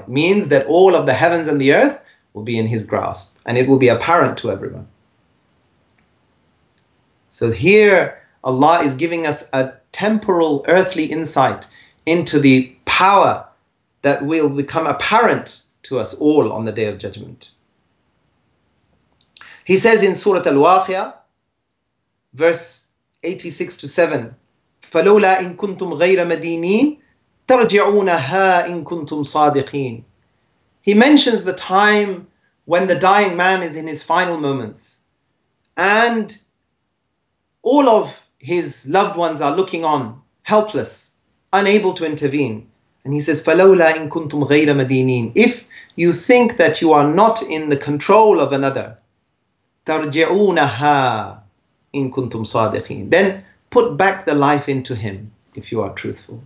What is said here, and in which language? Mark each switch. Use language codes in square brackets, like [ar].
[en] It means that all of the heavens and the earth will be in his grasp and it will be apparent to everyone. So here Allah is giving us a temporal earthly insight into the power that will become apparent to us all on the Day of Judgment. He says in Surah Al-Waqi'ah, verse 86-87, [ar] فَلَوْلَا إِن كُنْتُمْ غَيْرَ مَدِينِينَ تَرْجِعُونَهَا إِن كُنْتُمْ صَادِقِينَ [en] He mentions the time when the dying man is in his final moments and all of his loved ones are looking on, helpless, unable to intervene. And he says, [ar] فَلَوْلَا إِن كُنْتُمْ غَيْرَ مَدِينِينَ [en] If you think that you are not in the control of another, [ar] تَرْجِعُونَهَا إِن كُنْتُمْ صَادِقِينَ [en] Then put back the life into him if you are truthful.